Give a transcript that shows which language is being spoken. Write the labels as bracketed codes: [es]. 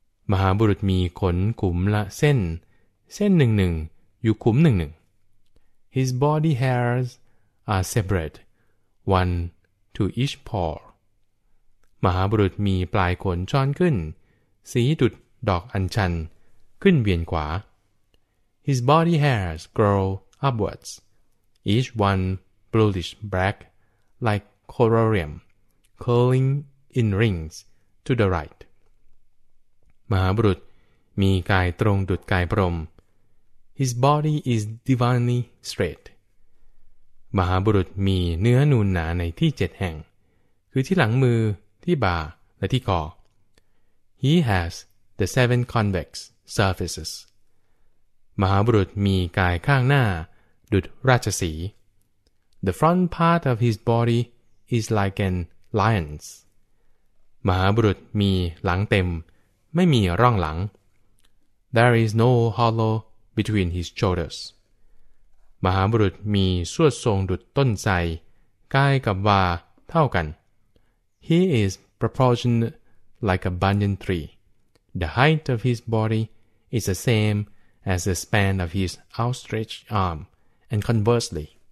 [th] มหาบุรุษมีขนขุมละเส้นหนึ่งหนึ่งอยู่ขุมหนึ่งหนึ่ง [en] His body hairs are separate, one to each paw. [th] มหาบุรุษมีปลายขนช้อนขึ้นสีดุจดอกอัญชันขึ้นเวียนขวา [en] His body hairs grow upwards, each one bluish black, like corallium, curling in rings to the right. [th] มหาบุรุษมีกายตรงดุจกายพรหม [en] His body is divinely straight. [th] มหาบุรุษมีเนื้อนูนหนาในที่เจ็ดแห่งคือที่หลังมือที่บ่าและที่คอ [en] He has the seven convex surfaces. [th] มหาบุรุษมีกายข้างหน้าดุจราชสีห์ [en] The front part of his body is like an lion's. [th] มหาบุรุษมีหลังเต็มไม่มีร่องหลัง [en] There is no hollow between his shoulders. [th] มหาบุรุษมีสวดทรงดุจต้นไทรกายกับวาเท่ากัน [en] He is proportioned like a banyan tree. The height of his body is the same as the span of his outstretched arm, and conversely.